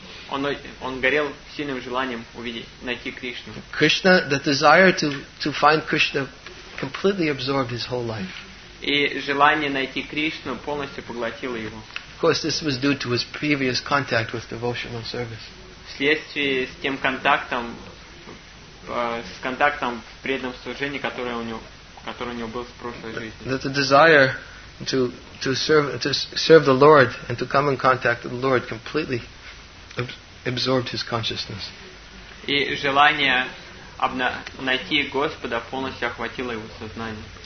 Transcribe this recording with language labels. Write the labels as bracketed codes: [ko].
[ru] Он горел сильным желанием увидеть, найти Кришну. [en] Krishna, the desire to find Krishna completely absorbed his whole life. [ru] И желание найти Кришну полностью поглотило его. [en] Of course, this was due to his previous contact with devotional service. [ru] Вследствие с тем контактом, с контактом в преданном служении, который у него был с прошлой жизни. [en] That the desire to serve the Lord and to come in contact with the Lord completely absorbed his consciousness. [ru] И желание найти Господа полностью охватило его сознание.